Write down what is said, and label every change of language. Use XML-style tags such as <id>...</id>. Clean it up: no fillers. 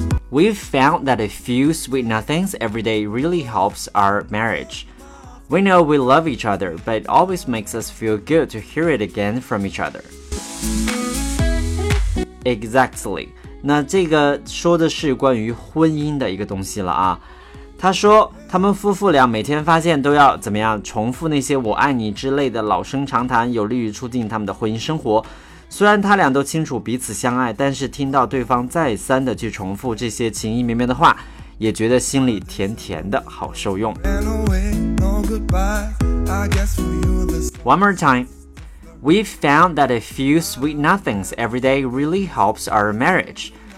<en>We've found that a few sweet nothings every day really helps our marriage. We know we love each other, but it always makes us feel good to hear it again from each other. Exactly.</en> <zh>那这个说的是关于婚姻的一个东西了啊。他说他们夫妇俩每天发现都要怎么样重复那些我爱你之类的老生常谈，有利于促进他们的婚姻生活。虽然他俩都清楚彼此相爱，但是听到对方再三的去重复这些情意绵绵的话，也觉得心里甜甜的，好受用。</zh> <en>One more time. We've found that a few sweet nothings every day really helps our marriage.</en>